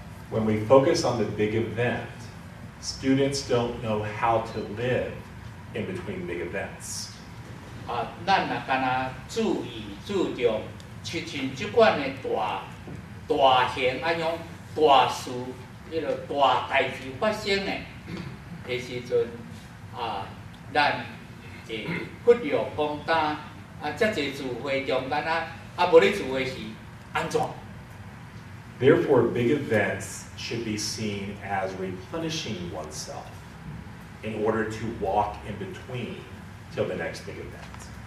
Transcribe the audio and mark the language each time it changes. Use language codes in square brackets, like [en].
[en] When we focus on the big event, students don't know how to live in between big events. [nan] 啊，咱若干呐注意注重，亲像即款的大型啊种大事，迄落大代志发生的，迄时阵啊，咱会忽略讲当啊，遮济聚会中间啊无咧聚会是安怎？ [en] Therefore, big events should be seen as replenishing oneself in order to walk in between till the next big event.